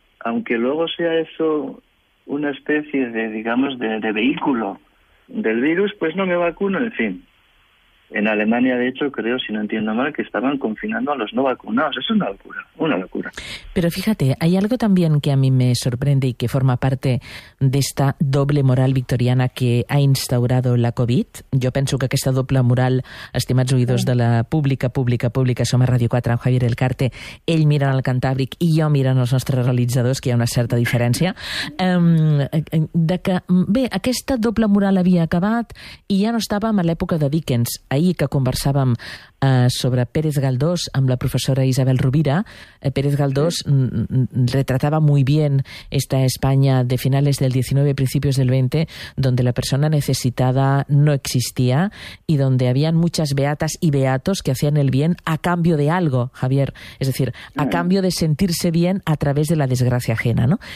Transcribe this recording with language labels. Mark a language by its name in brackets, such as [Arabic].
[Spanish] aunque luego sea eso una especie de, digamos, de vehículo del virus, pues no me vacuno, en fin. En Alemania, de hecho, creo, si no entiendo mal, que estaban confinando a los no vacunados. Es una locura, una locura. Pero fíjate, hay algo también que a mí me sorprende y que forma parte de esta doble moral victoriana que ha instaurado la COVID. [Catalan] Yo penso que aquesta doble moral, estimats oïdors sí. de la pública, som a Ràdio 4, amb Javier Elcarte, ell mira el Cantàbric i jo mira els nostres realitzadors, que hi ha una certa diferència, de que, bé, aquesta doble moral havia acabat i ja no estàvem a l'època de Dickens. Ahir que conversàvem sobre Pérez Galdós amb la professora Isabel Rovira, Pérez Galdós sí. [Spanish] retrataba muy bien esta España de finales del 19, principios del 20, donde la persona necesitada no existía y donde habían muchas beatas y beatos que hacían el bien a cambio de algo, Javier. Es decir, a cambio de sentirse bien a través de la desgracia ajena, ¿no?